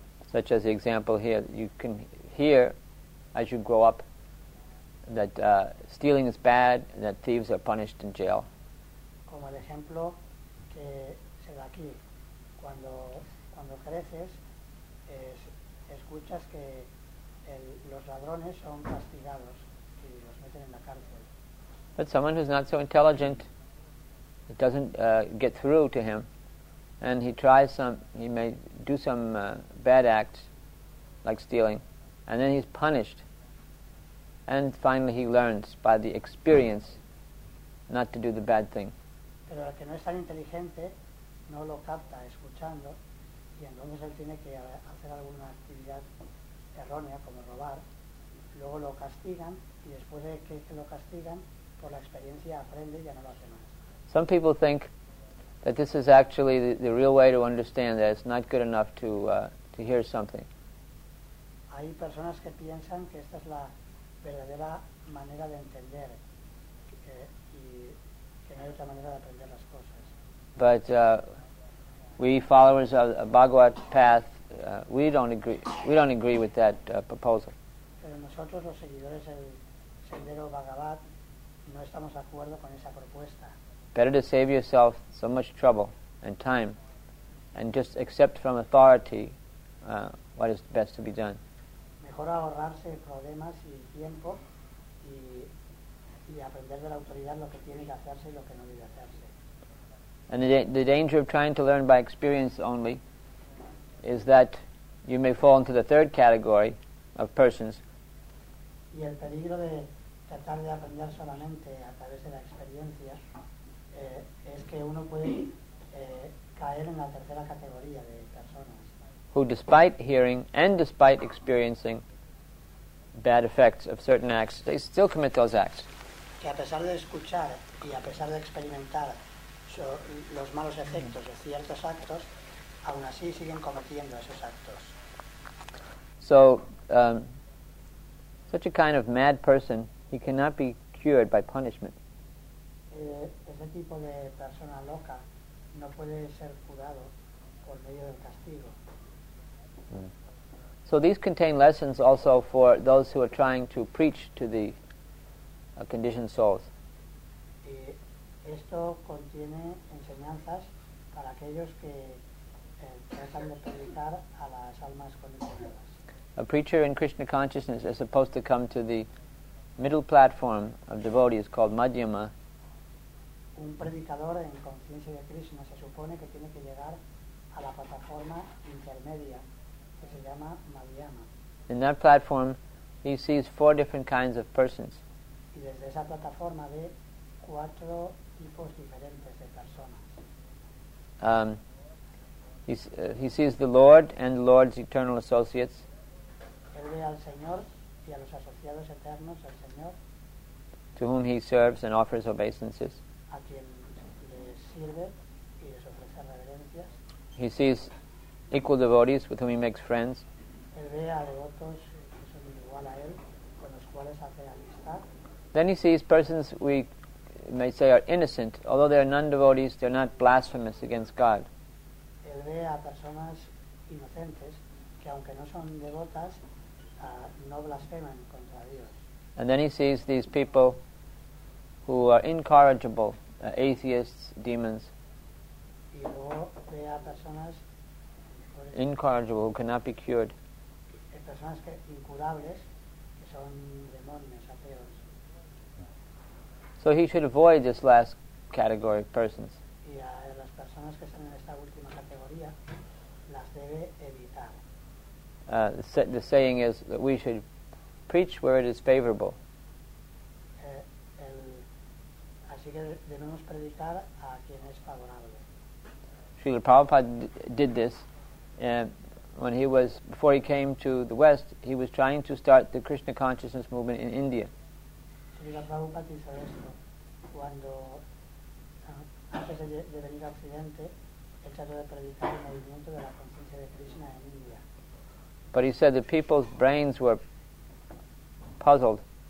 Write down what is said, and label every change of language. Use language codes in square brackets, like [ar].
[en] Such as the example here, you can hear as you grow up that stealing is bad, that thieves are punished in jail. [es] Como el ejemplo que se da aquí, cuando creces es escuchas que los ladrones son castigados y los meten en la cárcel. [en] But someone who's not so intelligent, it doesn't get through to him, and he tries some, he may do some bad acts, like stealing, and then he's punished, and finally he learns by the experience not to do the bad thing. [es] Pero el que no es tan inteligente no lo capta escuchando. Y entonces él tiene que hacer alguna actividad errónea, como robar. Luego lo castigan, y después de que lo castigan, por la experiencia aprende y ya no lo hace más. [en] Some people think that this is actually the real way to understand that it's not good enough to hear something. [es] Hay personas que piensan que esta es la verdadera manera de entender, y que no hay otra manera de aprender las cosas. [en] But we followers of the Bhagavad path, we don't agree with that proposal. [es] Pero nosotros los seguidores del sendero Bhagavad no estamos de acuerdo con esa propuesta. [en] Better to save yourself so much trouble and time and just accept from authority what is best to be done. [es] Mejor ahorrarse problemas y tiempo y aprender de la autoridad lo que tiene que hacerse y lo que no debe hacerse. [en] And the danger of trying to learn by experience only is that you may fall into the third category of persons. [es] Y el peligro de tratar de aprender solamente a través de la experiencia es que uno puede caer en la tercera categoría de personas. [en] Who, despite hearing and despite experiencing bad effects of certain acts, they still commit those acts. [es] Que a pesar de escuchar y a pesar de experimentar los malos efectos de ciertos actos, aún así siguen cometiendo esos actos. [en] So, such a kind of mad person, he cannot be cured by punishment. [es] Ese tipo de persona loca no puede ser curado por medio del castigo. [en] So these contain lessons also for those who are trying to preach to the conditioned souls. [es] Esto contiene enseñanzas para aquellos que tratan de predicar a las almas condicionadas. [en] A preacher in Krishna consciousness is supposed to come to the middle platform of devotees called Madhyama. [es] Un predicador en conciencia de Krishna se supone que tiene que llegar a la plataforma intermedia que se llama Madhyama. [en] In that platform, he sees four different kinds of persons. [es] Y desde esa plataforma ve cuatro tipos diferentes de personas. [en] He sees the Lord and the Lord's eternal associates. [es] Él ve al Señor y a los asociados eternos del Señor. [en] To whom he serves and offers obeisances. [es] A quien le sirve y les ofrece reverencias. [en] He sees equal devotees with whom he makes friends. [es] Él ve a devotos que son igual a él, con los cuales hace amistad. [en] Then he sees persons we may say are innocent, although they are non-devotees, they are not blasphemous against God. [es] Él ve a personas inocentes que aunque no son devotas, no blasfeman contra Dios. [en] And then he sees these people who are incorrigible, atheists, demons. [es] Y luego ve a personas [en] incorrigible, who cannot be cured. [es] Personas que incurables, que son demonios, ateos. [en] So he should avoid this last category of persons. [es] Y a las personas que están en esta última categoría, las debe evitar. [en] The saying is that we should preach where it is favorable. [es] Así que debemos predicar a quien es favorable. [en] Srila Prabhupada did this, when he was, before he came to the West, he was trying to start the Krishna consciousness movement in India. [es] Srila Prabhupada hizo esto. Cuando antes de venir a Occidente, él trató de predicar el movimiento de la conciencia de Krishna en India. [en] But he said the people's brains were puzzled.